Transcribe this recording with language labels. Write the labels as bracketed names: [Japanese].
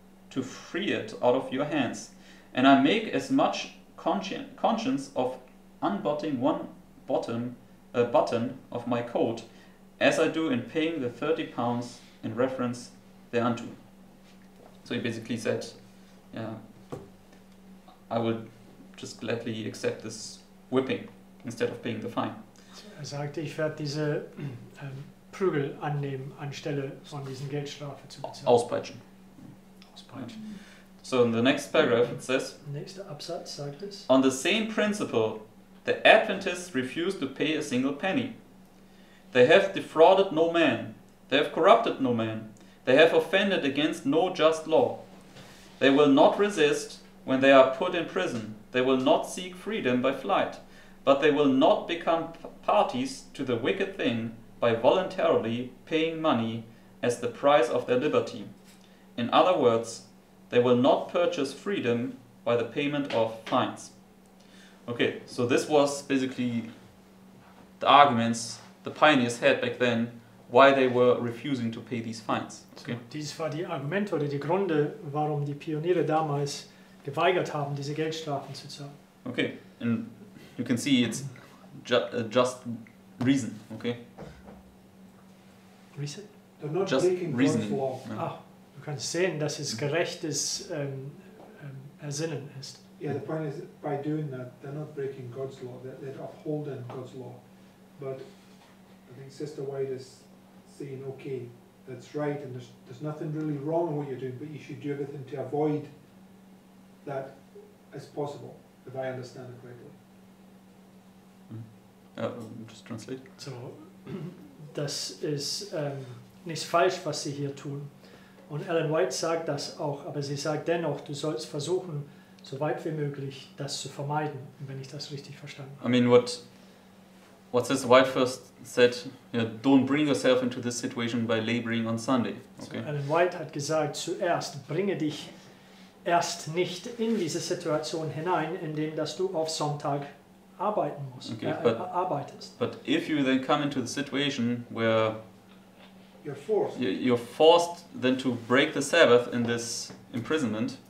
[English] to free it out of your hands, and I make as much conscience of unbuttoning one button of my coat as I do in paying the £30 in reference thereunto." So he basically said, yeah, I would just gladly accept this whipping instead of paying the fine. Er sagte, ich werde diese Prügel annehmen, anstelle von diesen Geldstrafe zu bezahlen. Auspeitschen. So in the next paragraph it says, [German] nächster Absatz sagt es, [English] on the same principle, the Adventists refuse to pay a single penny. They have defrauded no man. They have corrupted no man. They have offended against no just law. They will not resist when they are put in prison. They will not seek freedom by flight. But they will not become parties to the wicked thing by voluntarily paying money as the price of their liberty. In other words, they will not purchase freedom by the payment of fines. Okay, so this was basically the arguments the pioneers had back then, why they were refusing to pay these fines. Okay. [German] So, dies war die Argumente oder die Gründe, warum die Pioniere damals geweigert haben, diese Geldstrafen zu zahlen. [English] Okay, and you can see it's a just reason, okay? Reason? They're not just breaking reasoning. God's law. [German] Ah, du kannst sehen, dass es gerechtes Ersinnen ist. [English] Yeah, the point is, by doing that, they're not breaking God's law. They're upholding God's law. But I think Sister White is saying, okay, that's right, and there's nothing really wrong in what you're doing, but you should do everything to avoid that as possible, if I understand it correctly. Just translate. [German] So, das ist nicht falsch, was sie hier tun. Und Ellen White sagt das auch, aber sie sagt dennoch, du sollst versuchen, so weit wie möglich, das zu vermeiden, wenn ich das richtig verstanden habe. [English] I mean, what Sister White first said, you know, don't bring yourself into this situation by laboring on Sunday. Okay. [German] So Ellen White hat gesagt, zuerst bringe dich erst nicht in diese Situation hinein, indem dass du auf Sonntag arbeiten musst, arbeitest. [English] But if you then come into the situation where you're forced then to break the Sabbath in this imprisonment.